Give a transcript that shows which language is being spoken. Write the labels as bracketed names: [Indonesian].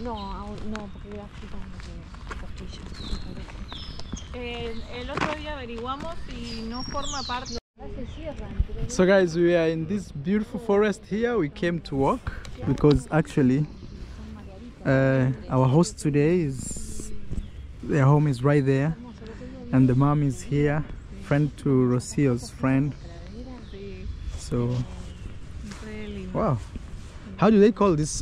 [Spanish] No, porque [English] we have to go to the [Spanish] El otro día averiguamos y no forma parte... [English] So guys, we are in this beautiful forest here. We came to walk because actually our host today is... Their home is right there. And the mom is here. Friend to Rocio's friend. So... Wow. How do they call this?